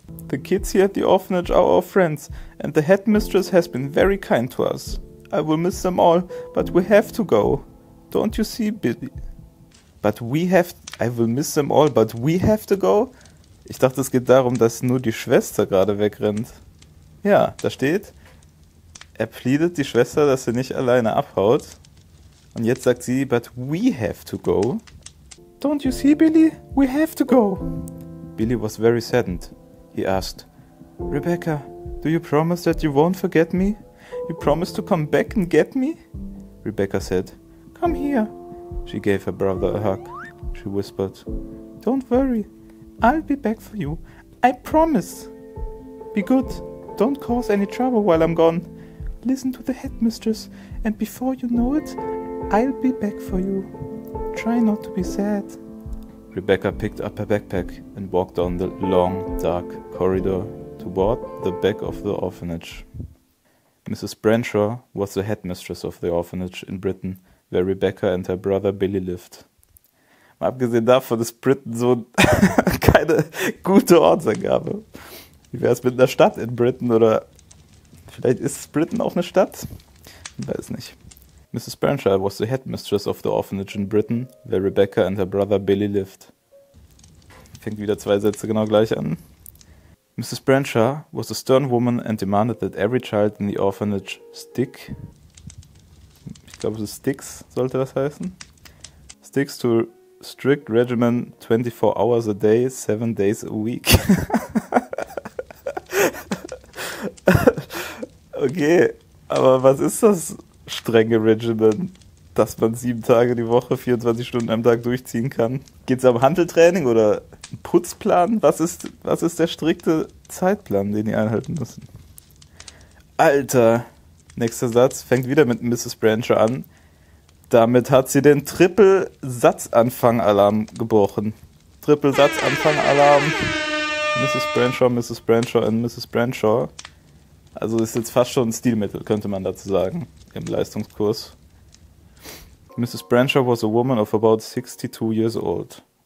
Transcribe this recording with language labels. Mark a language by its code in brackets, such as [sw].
[en] The kids here at the orphanage are our friends, and the headmistress has been very kind to us. I will miss them all, but we have to go. Don't you see, Billy? I will miss them all, but we have to go? [de] Ich dachte, es geht darum, dass nur die Schwester gerade wegrennt. Ja, da steht, er pleadet die Schwester, dass sie nicht alleine abhaut. Und jetzt sagt sie, [en] but we have to go. [de] Don't you see, Billy? We have to go. [en] Billy was very saddened. He asked, Rebecca, do you promise that you won't forget me? You promise to come back and get me? Rebecca said, come here. She gave her brother a hug. She whispered, don't worry. I'll be back for you. I promise. Be good. Don't cause any trouble while I'm gone. Listen to the headmistress, and before you know it, I'll be back for you. Try not to be sad. Rebecca picked up her backpack and walked down the long, dark corridor toward the back of the orphanage. Mrs. Branshaw was the headmistress of the orphanage in Britain, where Rebecca and her brother Billy lived. [de] Mal abgesehen davon ist Britain so keine gute Ortsangabe. Wie wäre es mit einer Stadt in Britain? Oder vielleicht ist Britain auch eine Stadt? Ich weiß nicht. Mrs. [en] Branshaw was the headmistress of the orphanage in Britain, where Rebecca and her brother Billy lived. [de] Fängt wieder zwei Sätze genau gleich an. [en] Mrs. Brancher was a stern woman and demanded that every child in the orphanage stick. [de] Ich glaube, es ist Sticks, sollte das heißen. [en] Sticks to strict regimen 24 hours a day, 7 days a week. [de] Okay, aber was ist das strenge Regimen, dass man 7 Tage die Woche 24 Stunden am Tag durchziehen kann? Geht's am Hanteltraining oder Putzplan? Was ist der strikte Zeitplan, den die einhalten müssen? Alter, nächster Satz fängt wieder mit Mrs. Brancher an. Damit hat sie den Triple-Satzanfang-Alarm gebrochen. Triple-Satzanfang-Alarm. Mrs. Brancher, Mrs. Brancher und Mrs. Brancher. Also ist jetzt fast schon ein Stilmittel, könnte man dazu sagen, im Leistungskurs. [en] Mrs. Brancher was a woman of about 62 years old.